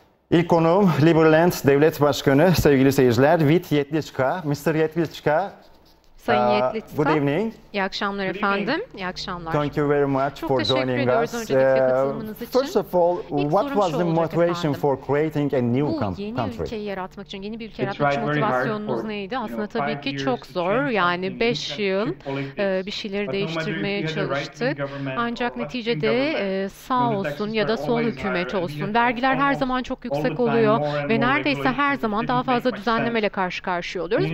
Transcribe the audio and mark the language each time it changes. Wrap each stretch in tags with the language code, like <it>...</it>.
<tr>İlk konuğum Liberland Devlet Başkanı sevgili seyirciler Vit Yetlişka.</tr> <en>Mr. Yetlişka.</en> <tr>Sayın Yetlişka.</tr> <en>Good evening.</en> <tr>İyi akşamlar efendim. İyi akşamlar.</tr> <en>Thank you very much</en> <tr>Çok</tr> <en>for joining us.</en> <tr>Çok teşekkür ediyoruz katılımınız için.</tr> <en>First of all, what was the motivation for creating a new country?</en> <tr>Bu yeni ülkeyi yaratmak için, yeni bir ülke yaratmak için motivasyonunuz neydi? Aslında tabii ki çok zor. Yani 5 yıl bir şeyleri değiştirmeye çalıştık. Ancak neticede sağ olsun ya da sol hükümet olsun. Vergiler her zaman çok yüksek oluyor ve neredeyse her zaman daha fazla düzenlemeyle karşı karşıya oluyoruz.</tr>